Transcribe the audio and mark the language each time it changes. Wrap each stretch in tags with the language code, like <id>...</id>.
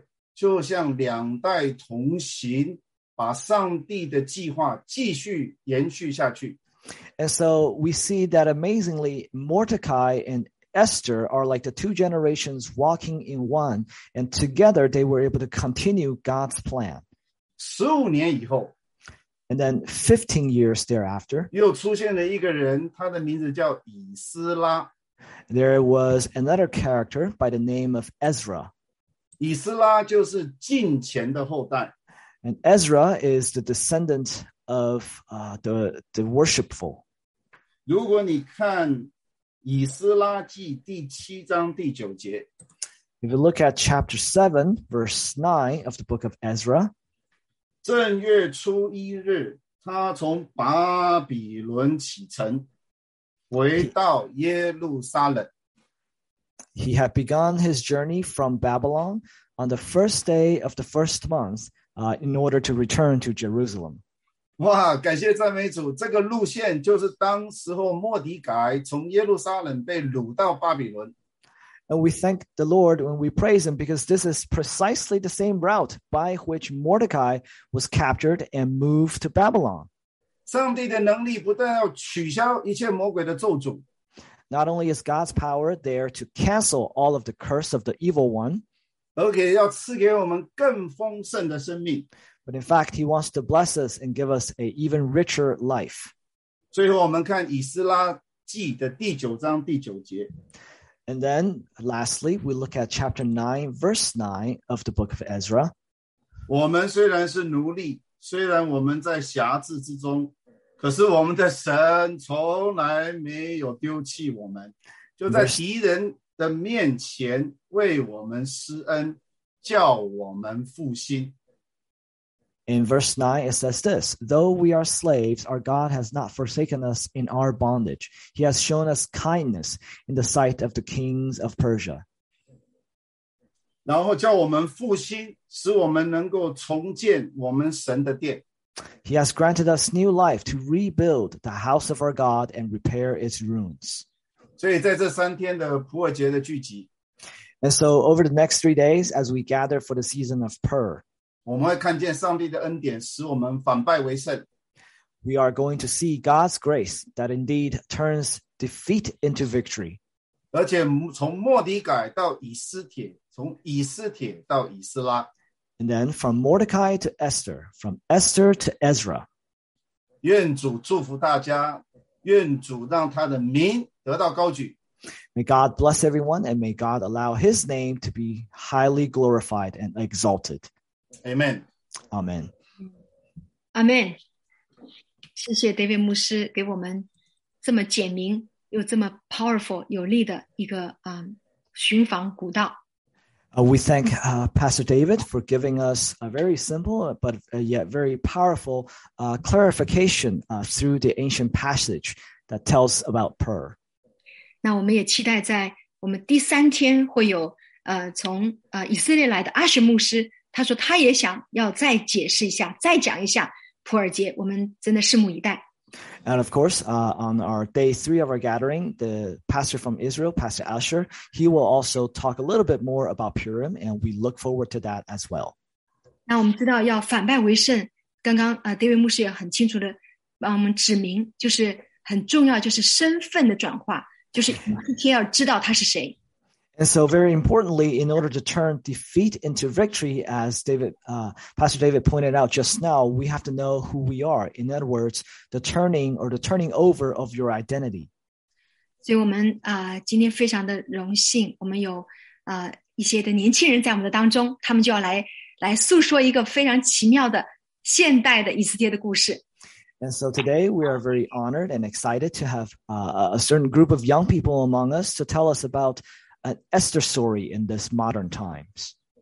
<zh>所以我们看到很奇妙的莫迪改跟以斯帖就像两代同行。把上帝的计划继续延续下去。</zh> <en>And so we see that amazingly, Mordecai and Esther are like the two generations walking in one, and together they were able to continue God's plan. 15 years later, and then 15 years thereafter,</en> <zh>又出现了一个人，他的名字叫以斯拉。</zh> <en>There was another character by the name of Ezra.</en> <zh>以斯拉就是近前的后代。</zh> <en>And Ezra is the descendant of the worshipful.</en> <zh>如果你看以斯拉记第七章第九节，</zh> <en>If you look at chapter 7, verse 9 of the book of Ezra,</en> <zh>正月初一日，他从巴比伦启程，回到耶路撒冷。</zh> <en>He had begun his journey from Babylon on the first day of the first month, in order to return to Jerusalem.</en> <zh>哇，感谢赞美主！这个路线就是当时候莫迪改从耶路撒冷被掳到巴比伦。</zh> <en>And we thank the Lord when we praise him because this is precisely the same route by which Mordecai was captured and moved to Babylon.</en> <zh>上帝的能力不但要取消一切魔鬼的咒诅，</zh> <en>Not only is God's power there to cancel all of the curse of the evil one,</en> <zh>而且要赐给我们更丰盛的生命。</zh> <en>But in fact, he wants to bless us and give us an even richer life.</en> <zh>最后我们看以斯拉记的第九章第九节。</zh> <en>And then, lastly, we look at chapter 9, verse 9 of the book of Ezra.</en> <zh>我们虽然是奴隶，虽然我们在辖制之中，可是我们的神从来没有丢弃我们，就在敌人的面前为我们施恩，叫我们复兴。</zh> <en>In verse 9, it says this, Though we are slaves, our God has not forsaken us in our bondage. He has shown us kindness in the sight of the kings of Persia.</en> <zh>然后叫我们复兴，使我们能够重建我们神的殿。</zh> <en>He has granted us new life to rebuild the house of our God and repair its ruins.</en> <zh>所以在这三天的普尔节的聚集。</zh> <en>And so over the next 3 days, as we gather for the season of Pur,</en> <zh>我们会看见上帝的恩典使我们反败为胜。</zh> <en>We are going to see God's grace that indeed turns defeat into victory.</en> <zh>而且从莫迪改到以斯帖，从以斯帖到以斯拉。</zh> <en>And then from Mordecai to Esther, from Esther to Ezra.</en> <zh>愿主祝福大家，愿主让他的名得到高举。</zh> <en>May God bless everyone and may God allow his name to be highly glorified and exalted. Amen. Amen.</en> <zh>Amen. 谢谢 David 牧师给我们这么简明又这么 powerful 有力的一个寻访古道。</zh> <en>We thank Pastor David for giving us a very simple but yet very powerful clarification through the ancient passage that tells about Pur.</en> <zh>那我们也期待在我们第三天会有从以色列来的阿什牧师。他说他也想要再解释一下，再讲一下普尔节，我们真的拭目以待。</zh> <en>And of course, on our day three of our gathering, the pastor from Israel, Pastor Asher, he will also talk a little bit more about Purim, and we look forward to that as well.</en> <zh>那我们知道要反败为胜，刚刚David 牧师也很清楚的帮我们指明，就是很重要，就是身份的转化，就是一天要知道他是谁。</zh> <en>And so very importantly, in order to turn defeat into victory, as Pastor David pointed out just now, we have to know who we are. In other words, the turning over of your identity.</en> <zh>所以我们今天非常的荣幸，我们有一些的年轻人在我们的当中，他们就要来诉说一个非常奇妙的现代的以斯帖的故事。</zh> <en>And so today we are very honored and excited to have a certain group of young people among us to tell us aboutan Esther story in this modern times.</en>